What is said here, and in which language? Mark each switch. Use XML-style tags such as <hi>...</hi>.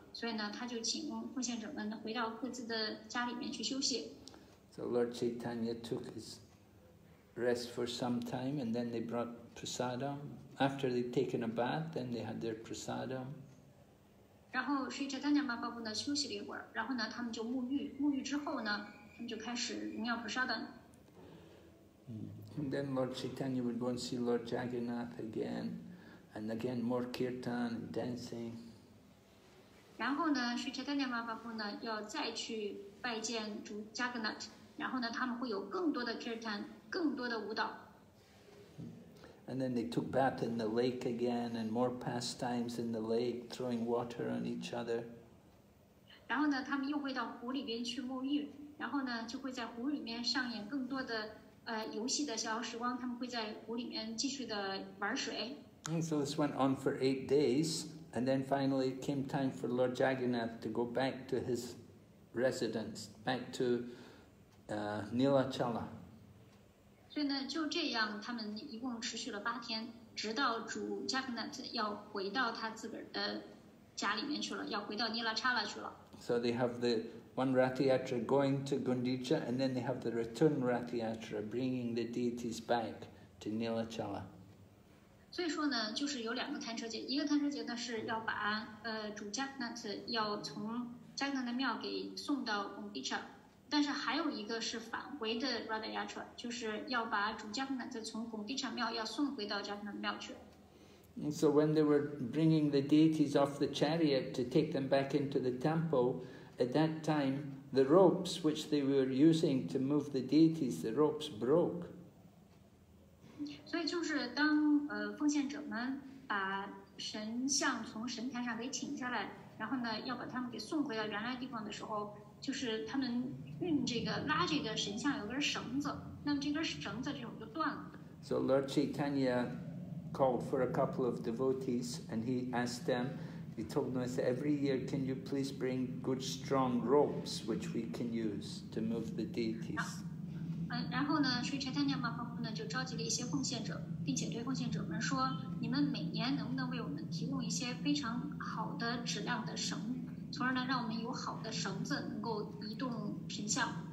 <zh>所以呢，他就请奉献者们回到各自的家里面去休息。</zh> <en>So Lord Chaitanya took his rest for some time, and then they brought prasadam. After they'd taken a bath, then they had their prasadam.</en> <zh>然后 Sri Chaitanya Mahaprabhu 呢休息了一会儿，然后呢，他们就沐浴，沐浴之后呢，他们就开始领用 prasadam。</zh> <en>And then Lord Chaitanya would go and see Lord Jagannath again, and again more kirtan, dancing.</en> <zh>然后呢 ，Sri Chaitanya Mahaprabhu 呢要再去拜见主 Jagannath， 然后呢，他们会有更多的 kirtan， 更多的舞蹈。</zh> <en>And then they took bath in the lake again, and more pastimes in the lake, throwing water on each other.</en> <zh>然后呢，他们又会到湖里边去沐浴，然后呢，就会在湖里面上演更多的游戏的逍遥时光。他们会在湖里面继续的玩水。</zh> <en>And so this went on for 8 days. And then finally it came time for Lord Jagannath to go back to his residence, back to Nilachala.</en> <zh>所以呢，就这样，他们一共持续了八天，直到主 Jagannath 要回到他自个儿的家里面去了，要回到 Nilachala 去了。</zh> <en>So they have the one Rathiatra going to Gundicha, and then they have the return Rathiatra bringing the deities back to Nilachala.</en> <zh>所以说呢，就是有两个贪车节，一个贪车节呢是要把主 Jagannath 要从 Jagannath 的庙给送到 Gundicha， 但是还有一个是返回的 Radhayatra， 就是要把主 Jagannath 从 Gundicha 庙要送回到 Jagannath 庙去。</zh> <en>So when they were bringing the deities off the chariot to take them back into the temple, at that time the ropes which they were using to move the deities, the ropes broke.</en> <zh>所以就是当奉献者们把神像从神坛上给请下来，然后呢要把他们给送回到原来地方的时候，就是他们运这个拉这个神像有根绳子，那么这根绳子这种就断了。</zh> <en>So Lord Chaitanya called for a couple of devotees and he asked them, he told them, he said, every year can you please bring good strong ropes which we can use to move the deities.</en> <zh>然后呢所以 Chaitanya Mahaprabhu 呢就召集了一些奉献者，并且对奉献者们说，你们每年能不能为我们提供一些非常好的质量的绳，从而呢让我们有好的绳子能够移动神像。</zh>